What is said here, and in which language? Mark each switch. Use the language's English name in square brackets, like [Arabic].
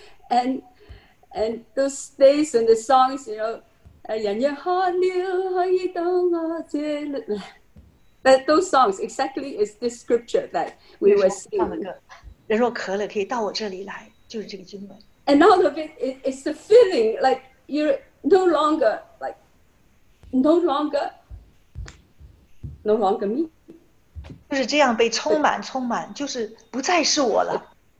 [English] And those days and the songs, you know, [Chinese] 人人喝了,可以到我这, [English] that those songs exactly is this scripture that we were singing. [Chinese] 人若渴了,可以到我这里来, 就是这个经文。 [English] And out of it, it's the feeling like you're no longer like, No longer me. [Chinese] 就是这样被充满, 就是不再是我了。